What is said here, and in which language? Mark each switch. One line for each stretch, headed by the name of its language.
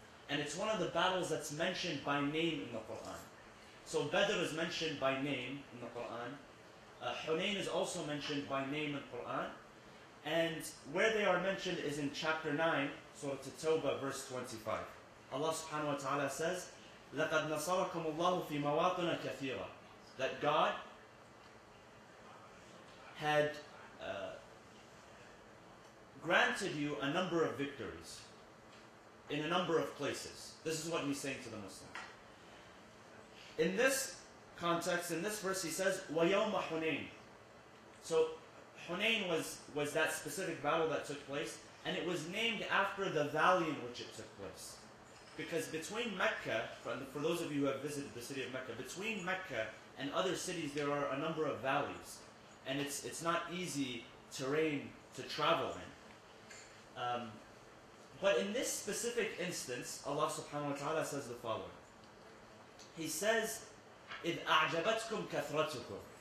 English: And it's one of the battles that's mentioned by name in the Quran. So Badr is mentioned by name in the Quran. Hunayn is also mentioned by name in the Quran. And where they are mentioned is in chapter 9, Surah At-Tawbah, verse 25. Allah subhanahu wa ta'ala says,
Arabic: لَقَدْ نَصَرَكُمُ اللَّهُ فِي مَوَاطِنَ كَثِيرًا.
English: That God had granted you a number of victories in a number of places. This is what he's saying to the Muslims. In this context, in this verse, he says,
Arabic: وَيَوْمَ حُنَيْن.
English: So, Hunayn was that specific battle that took place, and it was named after the valley in which it took place. Because between Mecca, for those of you who have visited the city of Mecca, between Mecca and other cities, there are a number of valleys. And it's not easy terrain to travel in. But in this specific instance, Allah subhanahu wa ta'ala says the following. He says,
Arabic: إِذْ أَعْجَبَتْكُمْ كَثْرَتُكُمْ.